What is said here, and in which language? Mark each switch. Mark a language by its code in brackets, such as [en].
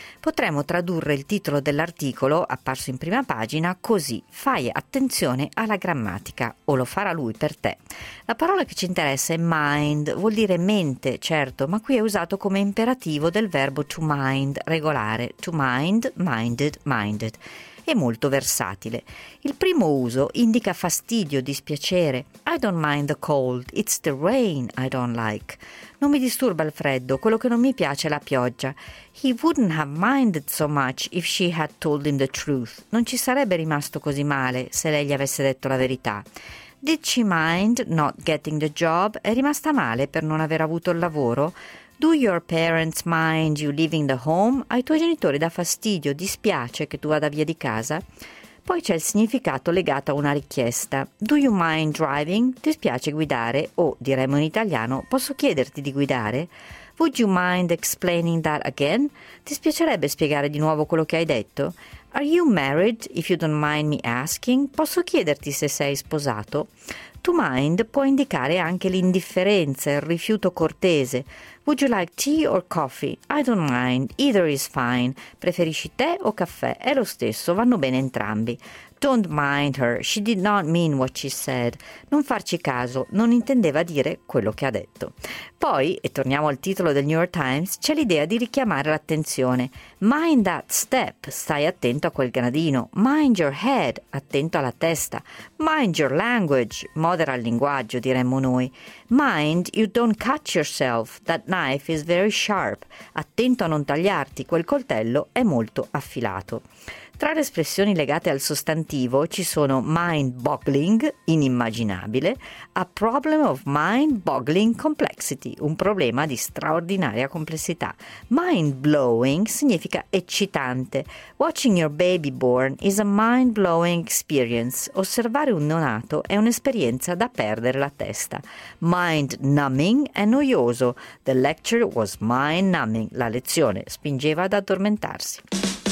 [it] Potremmo tradurre il titolo dell'articolo, apparso in prima pagina, così: fai attenzione alla grammatica, o lo farà lui per te. La parola che ci interessa è mind, vuol dire mente, certo, ma qui è usato come imperativo del verbo to mind, regolare, to mind, minded, minded. È molto versatile. Il primo uso indica fastidio, dispiacere. [en] I don't mind the cold, it's the rain I don't like. [it] Non mi disturba il freddo, quello che non mi piace è la pioggia. [en] He wouldn't have minded so much if she had told him the truth. [it] Non ci sarebbe rimasto così male se lei gli avesse detto la verità. [en] Did she mind not getting the job? [it] È rimasta male per non aver avuto il lavoro? [en] Do your parents mind you leaving the home? [it] Ai tuoi genitori dà fastidio, dispiace che tu vada via di casa? Poi c'è il significato legato a una richiesta. [en] Do you mind driving? [it] Ti spiace guidare? O, diremmo in italiano, posso chiederti di guidare? [en] Would you mind explaining that again? [it] Ti spiacerebbe spiegare di nuovo quello che hai detto? [en] Are you married, if you don't mind me asking? [it] Posso chiederti se sei sposato? To mind può indicare anche l'indifferenza, il rifiuto cortese. [en] Would you like tea or coffee? I don't mind. Either is fine. [it] Preferisci tè o caffè? È lo stesso, vanno bene entrambi. [en] Don't mind her. She did not mean what she said. [it] Non farci caso, non intendeva dire quello che ha detto. Poi, e torniamo al titolo del New York Times, c'è l'idea di richiamare l'attenzione. [en] Mind that step. [it] Stai attento a quel gradino. [en] Mind your head. [it] Attento alla testa. [en] Mind your language. [it] Modera il linguaggio, diremmo noi. [en] Mind you don't cut yourself. That knife is very sharp. [it] Attento a non tagliarti, quel coltello è molto affilato. Tra le espressioni legate al sostantivo ci sono mind-boggling, inimmaginabile, [en] a problem of mind-boggling complexity, [it] un problema di straordinaria complessità. Mind-blowing significa eccitante. [en] Watching your baby born is a mind-blowing experience. [it] Osservare un neonato è un'esperienza da perdere la testa. Mind-numbing è noioso. [en] The lecture was mind-numbing. [it] La lezione spingeva ad addormentarsi.